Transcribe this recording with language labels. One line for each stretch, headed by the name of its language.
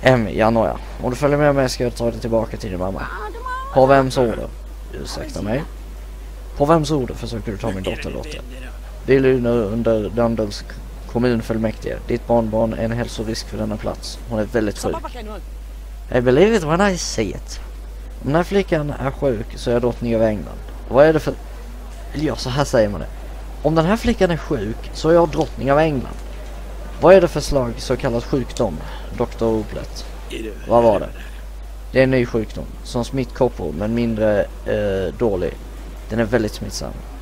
Swedish: Janoja. Om du följer med mig ska jag ta dig tillbaka till din mamma. På vems ord? Ursäkta mig. På vems ord försöker du ta min dotter? Vill du nu under Dundels kommunfullmäktige? Ditt barnbarn är en hälsorisk för denna plats. Hon är väldigt sjuk.
English: I believe it when I see it.
Swedish: Om den här flickan är sjuk så är jag drottning av England. Vad är det för... Ja, så här säger man det. Om den här flickan är sjuk så är jag drottning av England. Vad är det för slag så kallad sjukdom, doktor Oplett? Vad var det? Det är en ny sjukdom, som smittkoppor, men mindre dålig. Den är väldigt smittsam.